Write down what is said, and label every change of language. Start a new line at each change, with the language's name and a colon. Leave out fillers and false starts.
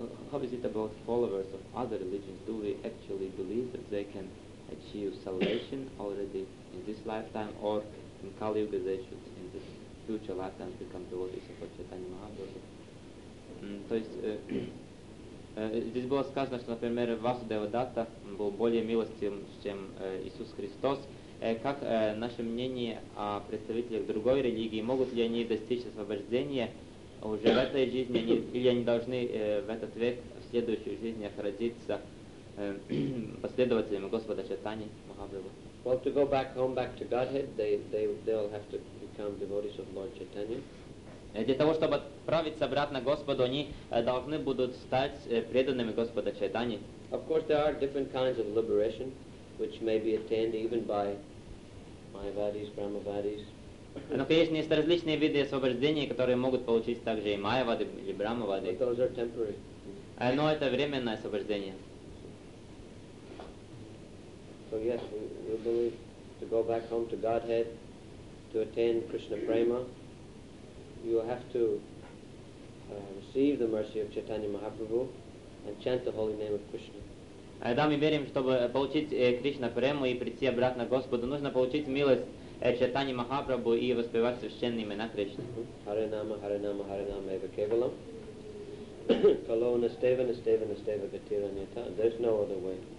English: How is it about followers of other religions? Do we actually believe that they can achieve salvation already in this lifetime, or in Kali Yuga they should in the future lifetime become devotees of Lord Chaitanya Mahaprabhu?
Russian: Здесь было сказано, что, например, Васудева Датта был более милостивым, чем Иисус Христос. Как наше мнение о представителях другой религии? Могут ли они достичь освобождения уже в этой жизни, или они должны в этот век, в следующих жизнях родиться последователями Господа Чайтаньи Махапрабху?
English: Well, to go back home, back to Godhead, they'll have to become devotees of Lord Chaitanya.
Russian: Для того, чтобы отправиться обратно к Господу, они должны будут стать преданными Господа Чайтани.
English: Of course, there are different kinds of liberation, which may be attained even by Mayavadis, Brahmavadis.
Russian: Но, конечно, есть различные виды освобождения, которые могут получить также и Майявады, или Брахмавады.
English: But those are temporary.
Russian: Но это временное освобождение.
English: So yes, we believe to go back home to Godhead, to attain Krishna Prema, you have to receive the mercy of Chaitanya Mahaprabhu and chant the holy name of Krishna.
Russian: Да, мы верим, чтобы получить Кришна Прему и прийти обратно к Господу, нужно получить милость Чайтаньи Махапрабху и воспевать священные имена Кришны.
Sanskrit: Харинама, Харинама, Харинама, Эва Кевалам. Кало Настева, Настева, Настева, Гатира Нита.
English: There's no other way.